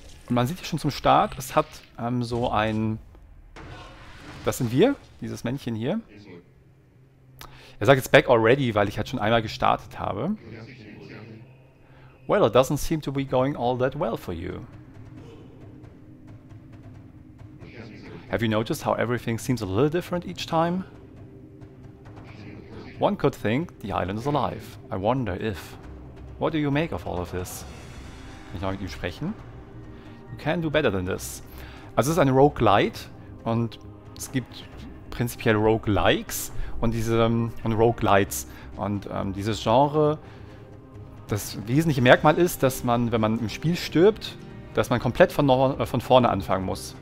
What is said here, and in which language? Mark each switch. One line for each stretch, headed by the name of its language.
German: Und man sieht hier schon zum Start, es hat so ein... Das sind wir, dieses Männchen hier. Er sagt jetzt
English: back already,
German: weil ich halt schon einmal gestartet habe.
English: Well, it doesn't seem to be going all that well for you. Have you noticed how everything seems a little different each time? One could think the island is alive. I wonder if... What do you make of all of this?
German: Kann ich noch mit ihm sprechen?
English: You can do better than this.
German: Also es ist ein Roguelite und es gibt prinzipiell Roguelikes und diese und Roguelites und dieses Genre, das wesentliche Merkmal ist, dass man, wenn man im Spiel stirbt, dass man komplett von vorne anfangen muss.